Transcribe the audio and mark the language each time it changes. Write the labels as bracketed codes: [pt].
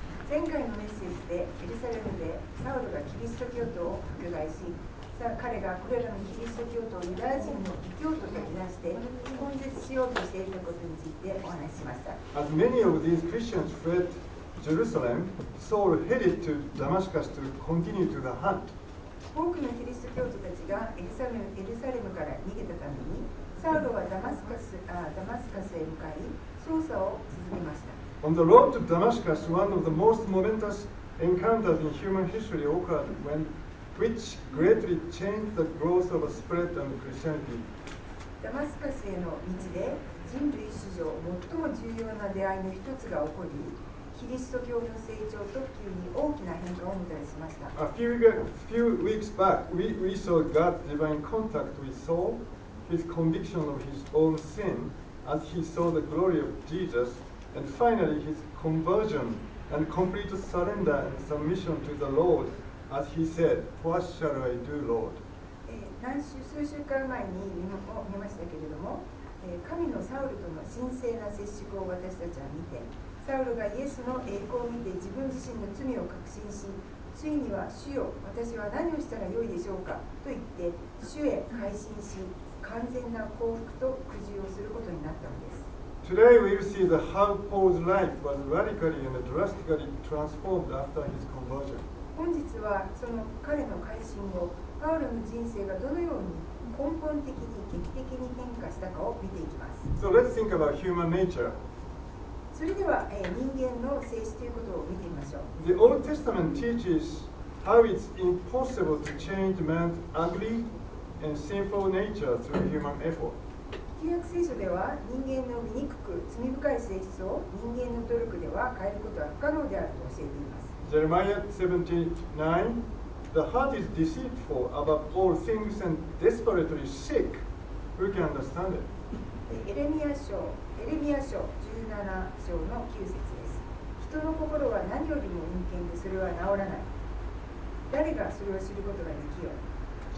[ja] 前回のメッセージでエルサレムでサウルがキリスト教徒を迫害し、さあ彼がこれらのキリスト教徒をユダヤ人の異教徒と見なして根絶しようとしていることについてお話ししました。 [en] As many of these Christians fled Jerusalem, Saul headed to Damascus to continue to the hunt. [ja] 多くのキリスト教徒たちがエルサレムから逃げたために、サウルはダマスカスへ向かい、捜査を続けました。 [en] On the road to Damascus, one of the most momentous encounters in human history occurred, which greatly changed the growth of spread of Christianity. [ja] Damascus への道で人類史上最も重要な出会いの一つが起こり、キリスト教の成長と普及に大きな変化をもたらしました。 [en] A few weeks back, we saw God's divine contact with Saul, his conviction of his own sin, as he saw the glory of Jesus. And finally, his conversion and complete surrender and submission to the Lord, as he said, "What shall I do, Lord?" [ja] 数週間前に見ましたけれども、神のサウルとの神聖な接触を私たちは見て、サウルがイエスの栄光を見て自分自身の罪を確信し、ついには主よ、私は何をしたらよいでしょうかと言って主へ改心し、完全な降伏と苦渋をすることになったのです。 [en] Today we will see how Paul's life was radically and drastically transformed after his conversion. [ja] 本日はその彼の改心後、パウロの人生がどのように根本的に劇的に変化したかを見ていきます。 [en] So let's think about human nature. [ja] それでは人間の性質ということを見てみましょう。 [en] The Old Testament teaches how it's impossible to change man's ugly and sinful nature through human effort. [ja] 旧約聖書では人間の醜く罪深い性質を人間の努力では変えることは不可能であると教えています。 [en] Jeremiah 17:9 The heart is deceitful above all things and desperately sick. Who can understand it? [ja] エレミア書17章の9節です。人の心は何よりも陰険でそれは治らない、誰がそれを知ることができよう。